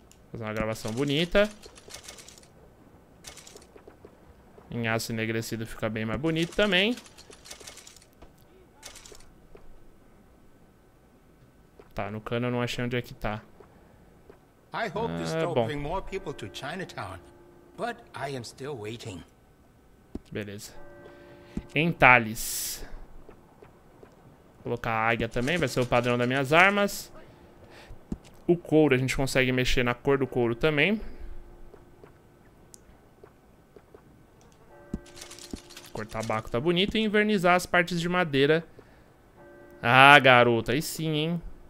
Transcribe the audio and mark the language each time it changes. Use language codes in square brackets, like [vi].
[pt] Fazer uma gravação bonita. Em aço enegrecido fica bem mais bonito também. Tá, no cano eu não achei onde é que tá. [en] I hope this will bring more people to Chinatown, but I am still waiting. [pt] Beleza. Entalhes. Colocar a águia também, vai ser o padrão das minhas armas. O couro, a gente consegue mexer na cor do couro também. tabaco tá bonito, e envernizar as partes de madeira. Ah, garota, aí sim, hein?